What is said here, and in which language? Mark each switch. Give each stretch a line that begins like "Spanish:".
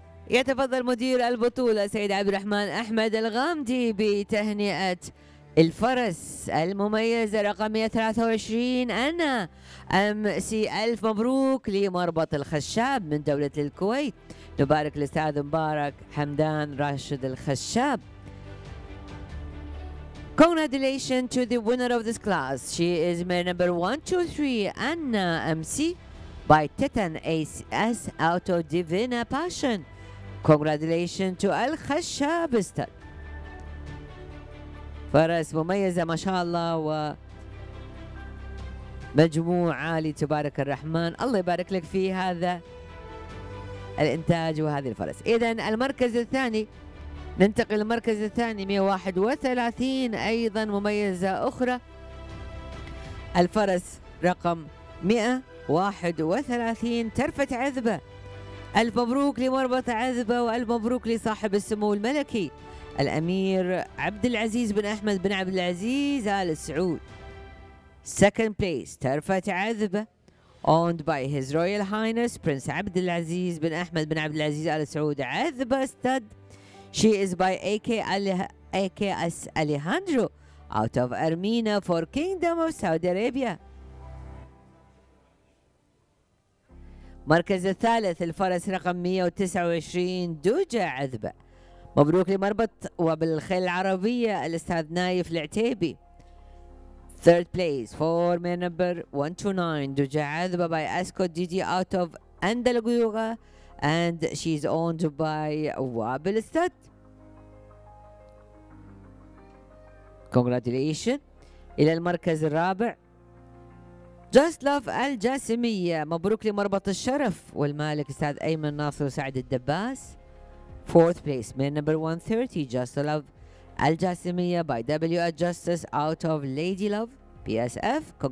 Arabic: يتفضل مدير البطولة سيد عبد الرحمن أحمد الغامدي بتهنئة الفرس المميز رقم 123 أنا أم سي. ألف مبروك لمربط الخشاب من دولة الكويت، نبارك الأستاذ مبارك حمدان راشد الخشاب.
English: Congratulations to the winner of this class. She is mare number 123 أنا أم سي by Titan ACS out of Divina Passion. Congratulations to الخشاب stud.
Arabic: فرس مميزة ما شاء الله ومجموع عالي تبارك الرحمن، الله يبارك لك في هذا الإنتاج وهذه الفرس. إذن المركز الثاني ننتقل للمركز الثاني 131 أيضا مميزة أخرى. الفرس رقم 131 ترفة عذبة. ألف مبروك لمربط عذبة وألف مبروك لصاحب السمو الملكي الأمير عبد العزيز بن أحمد بن عبد العزيز آل سعود.
English: Second place ترفة عذبة owned by His Royal Highness Prince عبد العزيز بن أحمد بن عبد العزيز آل سعود عذبة stud. She is by AKS Alejandro out of Armenia for Kingdom of Saudi Arabia.
Arabic: مركز الثالث الفرس رقم 129 دوجة عذبة. مبروك لمربط وبالخيل العربية الأستاذ نايف العتيبي.
English: Third place for mare number 129 دوجة عذبة by Ascot DD out of Andalguyuga and she is owned by Wabil Stud. Congratulations.
Arabic: إلى المركز الرابع Just Love الجاسمية. مبروك لمربط الشرف والمالك أستاذ أيمن ناصر وسعد الدباس.
English: Fourth place mare number 130 Just Love الجاسمية by W at Justice out of Lady Love PSF.